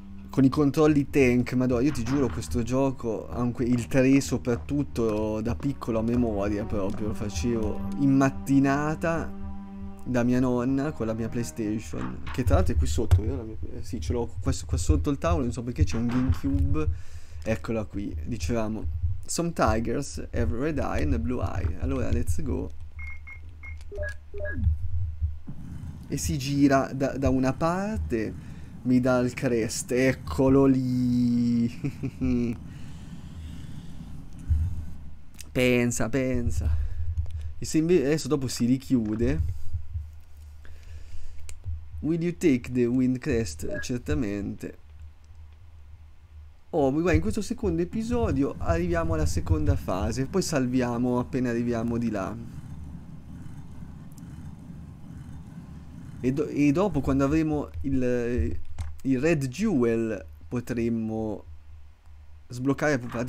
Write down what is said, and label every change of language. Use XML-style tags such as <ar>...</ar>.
<it>Con i controlli tank, madò, io ti giuro, questo gioco, anche il 3 soprattutto, da piccolo a memoria proprio, lo facevo in mattinata da mia nonna con la mia PlayStation. Che tra l'altro è qui sotto. Io la mia, sì, ce l'ho qua sotto il tavolo, non so perché c'è un GameCube. Eccola qui. Dicevamo,</it> <en>some tigers have red eye and blue eye.</en> <it>Allora,</it> <en>let's go.</en> <it>E si gira da una parte, mi dà il crest, eccolo lì. Pensa, pensa. E se adesso dopo si richiude.</it> <en>Will you take the wind crest?</en> <it>Certamente. Oh, guarda, in questo secondo episodio arriviamo alla seconda fase, poi salviamo appena arriviamo di là. E dopo, quando avremo il Red Jewel, potremmo sbloccare.</it>